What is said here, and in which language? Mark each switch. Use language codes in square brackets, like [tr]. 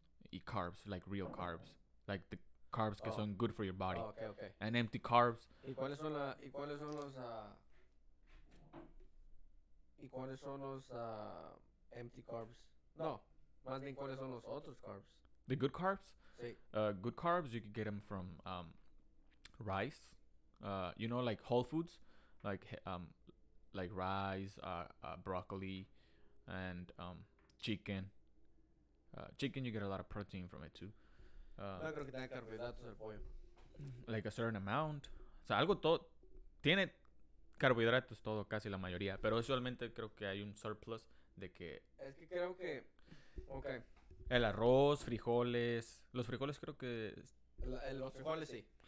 [en] Y carbs, like real carbs. Like the carbs que Oh. son good for your Oh, body. okay. And empty carbs. [es] ¿Y cuáles son los [en] empty carbs? [es] No, más bien cuáles son los otros carbs. [en] The good carbs? [es] Sí. [en] Good carbs, you could get them from rice, like whole foods, like rice, broccoli, and chicken. Chicken, you get a lot of protein from it too. [es] No creo que tenga carbohidratos el pollo. [en] Like a certain amount. [es] O sea, algo todo tiene carbohidratos, todo, casi la mayoría, pero usualmente creo que hay un surplus de que Es que creo que. Ok. el arroz, frijoles. Los frijoles creo que. Los frijoles sí.